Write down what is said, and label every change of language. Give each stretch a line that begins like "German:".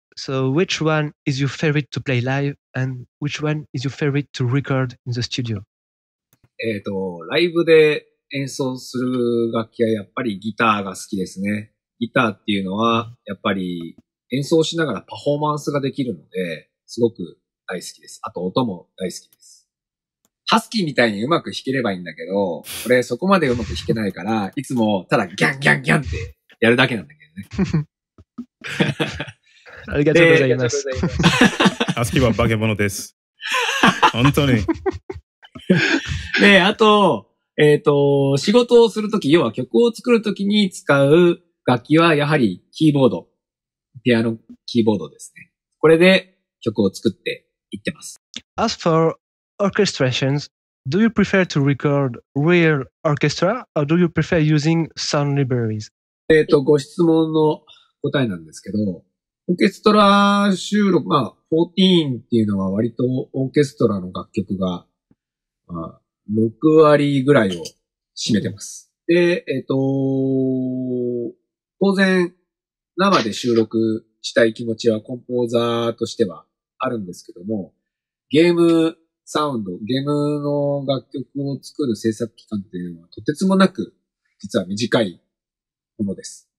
English: So which one is your favorite to play live and which one is your favorite to record in the studio?
Japanese: ライブで演奏する楽器はやっぱりギターが好きですね。ギターっていうのはやっぱり演奏しながらパフォーマンスができるのですごく大大好きです。あと音も大好きです。ハスキーみたいにうまく弾ければいいんだけど、これそこまでうまく弾けないから、いつもただギャンギャンギャンってやるだけなんだけどね。ありがとうございます。ハスキーは化け物です。本当に。で、あと、仕事をするとき、要は曲を作るときに使う楽器はやはりキーボード。ピアノキーボードですね。これで曲を作っていってます。
English: As for orchestrations, do you prefer to record real orchestra or do you prefer using sound libraries?
Japanese: ご質問の答えなんですけど、オーケストラ収録、まあ、14っていうのは割とオーケストラの楽曲が、まあ、6割ぐらいを占めてます。で、当然、生で収録したい気持ちはコンポーザーとしてはあるんですけども、ゲームサウンド、ゲームの楽曲を作る制作期間っていうのはとてつもなく実は短いものです。